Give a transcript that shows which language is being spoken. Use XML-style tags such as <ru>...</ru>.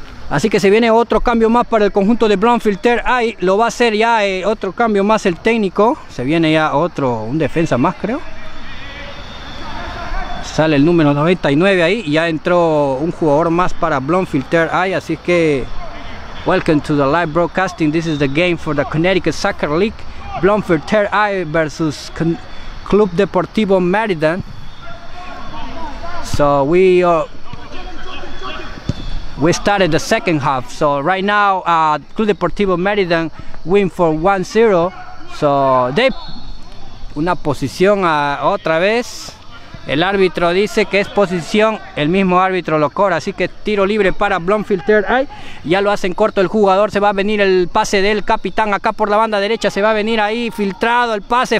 <es>Así que se viene otro cambio más para el conjunto de Bloomfield Third Eye. Lo va a hacer ya otro cambio más el técnico. Se viene ya otro, un defensa más, creo. Sale el número 99 ahí. Ya entró un jugador más para Bloomfield Third Eye. Así que,</es> <en>welcome to the live broadcasting. This is the game for the Connecticut Soccer League. Bloomfield Third Eye versus Club Deportivo Mérida. So we started the second half. So right now, Club Deportivo Mérida win for 1-0. So they</en> <es>una posición otra vez. El árbitro dice que es posición. El mismo árbitro lo cobra. Así que tiro libre para Bloomfield Third Eye. Ya lo hacen corto el jugador. Se va a venir el pase del capitán acá por la banda derecha. Se va a venir ahí filtrado el pase.</es>